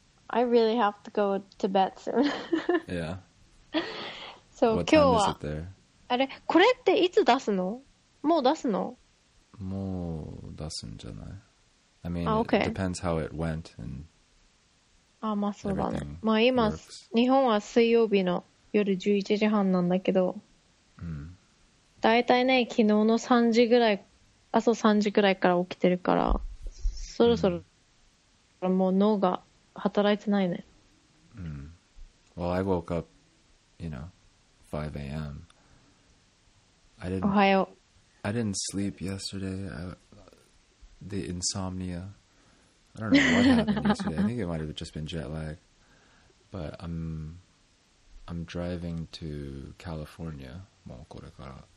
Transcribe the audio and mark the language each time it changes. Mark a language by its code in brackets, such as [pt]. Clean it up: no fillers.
[en] I really have to go to bed soon. Yeah. So, what time is it there? Are, [ja] これっていつ出すの？もう出すの？もう出すんじゃない？ [en] I mean, ah, okay. It depends how it went and [ja] ah, まあそうだね。まあ今、 [en] works. [ja] 日本は水曜日の夜11時半なんだけど、だいたいね、昨日の3時ぐらい、朝3時ぐらいから起きてるから、そろそろ、もう脳が働いてないね。 [en] Well, I woke up, you know, 5 a.m. [ja] おはよう。 [en] I didn't sleep yesterday. The insomnia. I don't know what happened yesterday. I think it might have just been jet lag. But I'm driving to California. [ja] もうこれから。